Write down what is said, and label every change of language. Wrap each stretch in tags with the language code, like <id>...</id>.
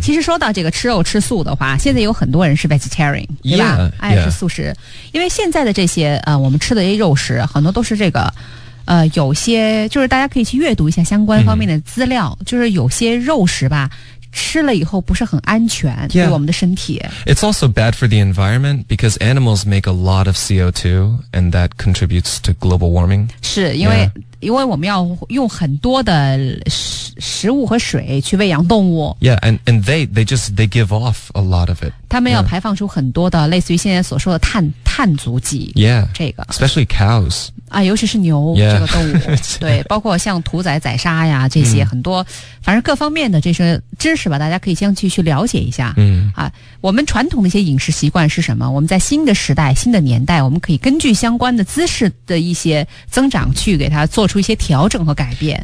<zh>其实说到这个吃肉吃素的话，现在有很多人是 vegetarian， 对吧？</zh> <en>Yeah,</en> <zh>爱吃素食，</zh> <en>yeah.</en> <zh>因为现在的这些我们吃的这些肉食，很多都是这个，有些就是大家可以去阅读一下相关方面的资料，嗯、就是有些肉食吧，吃了以后不是很安全、</zh> <en>yeah.</en> <zh>对我们的身体。</zh> <en>It's also bad for the environment because animals make a lot of CO2 and that contributes to global warming.</en> <zh>是因为。</zh> <en>Yeah.</en> <zh>因为我们要用很多的食物和水去喂养动物。</zh> <en>Yeah, and they give off a lot of it.</en> <zh>他们要排放出很多的、</zh> <en>yeah.</en> <zh>类似于现在所说的碳足迹。</zh> <en>Yeah,</en> <zh>这个。</zh> <en>Especially cows.</en> <zh>啊，尤其是牛、</zh> <en>yeah.</en> <zh>这个动物。对，包括像屠宰宰杀呀这些很多、嗯、反正各方面的这些知识吧，大家可以先去了解一下。嗯。啊，我们传统的一些饮食习惯是什么，我们在新的时代新的年代，我们可以根据相关的姿势的一些增长去给它做出一些调整和改变</zh>